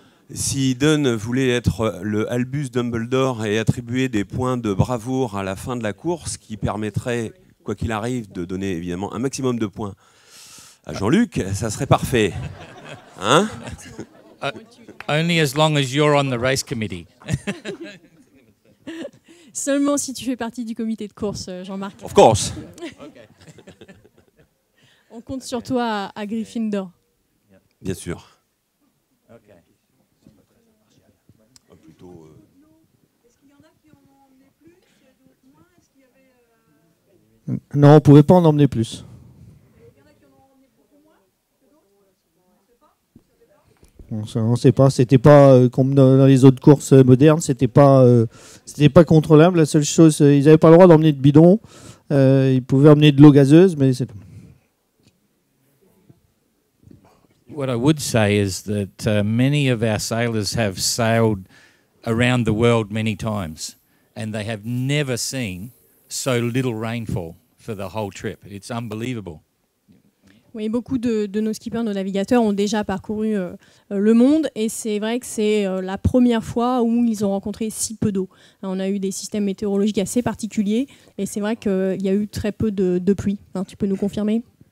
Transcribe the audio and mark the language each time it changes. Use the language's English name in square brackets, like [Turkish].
[French] Si Dunn voulait être le Albus Dumbledore et attribuer des points de bravoure à la fin de la course, qui permettrait, quoi qu'il arrive, de donner évidemment un maximum de points à Jean-Luc, ça serait parfait. Hein? [English] Only as long as you're on the race committee. [French] Seulement si tu fais partie du comité de course, Jean-Marc. [English] Of course. [French] On compte sur toi à Gryffindor. Bien sûr. Non, on ne pouvait pas en emmener plus. On ne sait pas. C'était pas comme dans les autres courses modernes. C'était pas contrôlable. La seule chose, ils n'avaient pas le droit d'emmener de bidon. Ils pouvaient emmener de l'eau gazeuse, mais c'est tout. [English] What I would say is that many of our sailors have sailed around the world many times, and they have never seen so little rainfall for the whole trip. It's unbelievable. [French] Oui, beaucoup de nos skippers, nos navigateurs ont déjà parcouru le monde, et c'est vrai que c'est la première fois où ils ont rencontré si peu d'eau. On a eu des systèmes météorologiques assez particuliers, et c'est vrai qu'il y a eu très peu de pluie. Hein, tu peux nous confirmer?